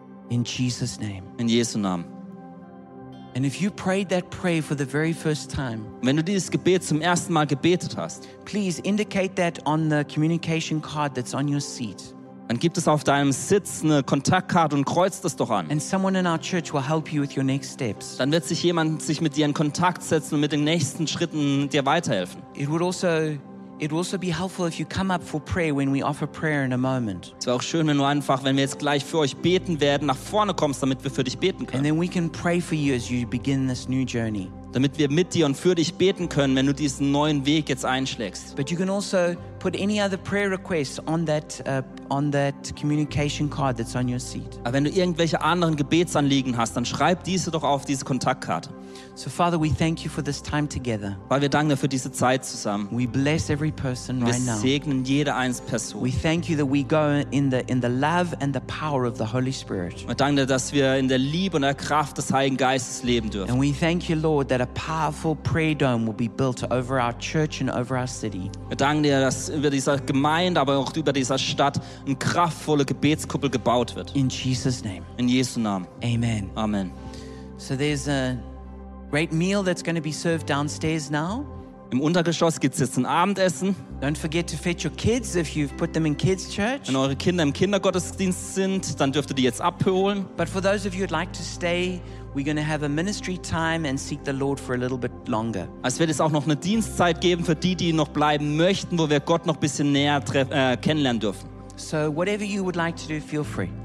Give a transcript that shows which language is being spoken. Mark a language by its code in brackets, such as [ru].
[en] In Jesus' name. [de] In Jesu Namen. [en] And if you prayed that prayer for the very first time, [de] wenn du dieses Gebet zum ersten Mal gebetet hast, [en] please indicate that on the communication card that's on your seat. [de] Dann gibt es auf deinem Sitz eine Kontaktkarte und kreuz das doch an. [en] And someone in our church will help you with your next steps. [de] Dann wird sich jemand mit dir in Kontakt setzen und mit den nächsten Schritten dir weiterhelfen. [en] It would also be helpful if you come up for prayer when we offer prayer in a moment. [de] Es wäre auch schön, wenn du einfach, wenn wir jetzt gleich für euch beten werden, nach vorne kommst, damit wir für dich beten können. [en] And then we can pray for you as you begin this new journey. [de] Damit wir mit dir und für dich beten können, wenn du diesen neuen Weg jetzt einschlägst. [en] But you can also put any other prayer requests on that communication card that's on your seat. [de] Aber wenn du irgendwelche anderen Gebetsanliegen hast, dann schreib diese doch auf diese Kontaktkarte. [en] So Father, we thank you for this time together. [de] Weil wir danken für diese Zeit zusammen. [en] We bless every person [de] wir [en] right now. [de] Wir segnen jede einzelne Person. [en] We thank you that we go in the love and the power of the Holy Spirit. [de] Wir danken dir, dass wir in der Liebe und der Kraft des Heiligen Geistes leben dürfen. [en] And we thank you, Lord, that a powerful prayer dome will be built over our church and over our city. [de] Wir danken dir, dass über dieser Gemeinde, aber auch über dieser Stadt eine kraftvolle Gebetskuppel gebaut wird. [en] In Jesus' name. [de] In Jesu Namen. [en] Amen. [de] Amen. [en] So there's a great meal that's going to be served downstairs now. [de] Im Untergeschoss gibt's jetzt ein Abendessen. [en] Don't forget to fetch your kids if you've put them in kids' church. [de] Wenn eure Kinder im Kindergottesdienst sind, dann dürft ihr die jetzt abholen. [en] But for those of you who'd like to stay, we're going to have a ministry time and seek the Lord for a little bit longer. [de] Es wird auch noch eine Dienstzeit geben für die noch bleiben möchten, wo wir Gott noch ein bisschen näher kennenlernen dürfen. [en] So whatever you would like to do, feel free.